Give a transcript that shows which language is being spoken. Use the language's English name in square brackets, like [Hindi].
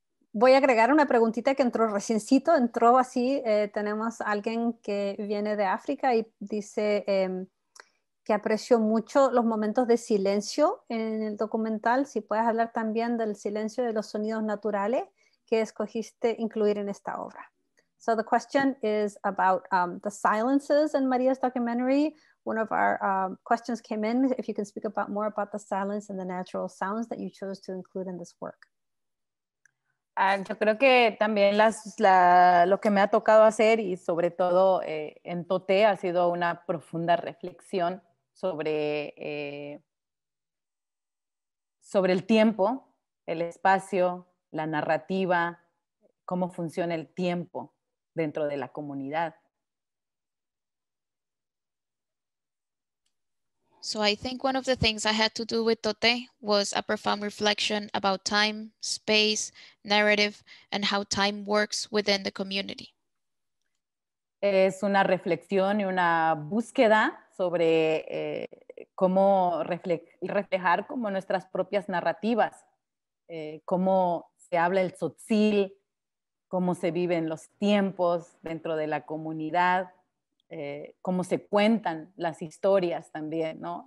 [Spanish] Voy a agregar una preguntita que entró reciencito, entró así, tenemos alguien que viene de África y dice que apreció mucho los momentos de silencio en el documental, si puedes hablar también del silencio de los sonidos naturales que escogiste incluir en esta obra. [English] So the question is about the silences in María's documentary. One of our questions came in, if you can speak about more about the silence and the natural sounds that you chose to include in this work. [Spanish] Yo creo que también lo que me ha tocado hacer y sobre todo en Tote ha sido una profunda reflexión sobre, sobre el tiempo, el espacio, la narrativa, cómo funciona el tiempo dentro de la comunidad. [English] So I think one of the things I had to do with Tote was a profound reflection about time, space, narrative, and how time works within the community. [Spanish] Es una reflexión y una búsqueda sobre cómo reflejar como nuestras propias narrativas, cómo se habla el tzotzil, cómo se viven los tiempos dentro de la comunidad, cómo se cuentan las historias también, ¿no?